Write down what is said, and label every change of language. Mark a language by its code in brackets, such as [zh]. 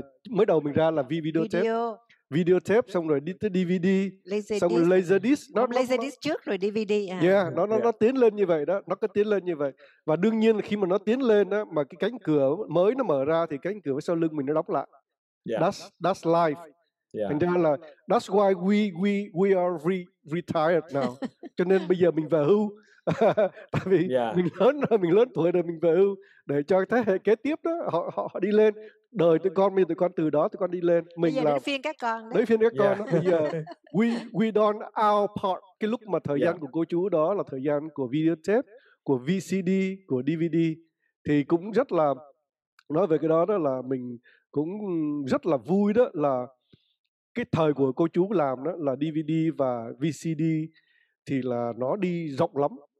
[vi] mới đầu mình ra là video tape, xong rồi đi tới DVD, xong rồi laserdisc. Laserdisc trước rồi DVD. Nó tiến lên như vậy đó, nó cứ tiến lên như vậy. Và đương nhiên là khi mà nó tiến lên đó, mà cái cánh cửa mới nó mở ra thì cánh cửa sau lưng mình nó đóng lại. Yeah. [en] That's life. Yeah. [vi] Thành ra là [en] that's why we are retired now. [vi] Cho nên bây giờ mình về hưu. Tại vì mình lớn tuổi rồi, mình về hưu để cho thế hệ kế tiếp đó họ đi lên, đời tụi con từ đó tụi con đi lên, mình bây giờ là đến phiên các con đấy. Đến phiên các con đó. Bây giờ [en] we don't our part, [vi] cái lúc mà thời gian của cô chú đó là thời gian của videotape, của VCD, của DVD, thì cũng rất là, nói về cái đó là mình cũng rất là vui đó, là cái thời của cô chú làm đó là DVD và VCD thì là nó đi rộng lắm.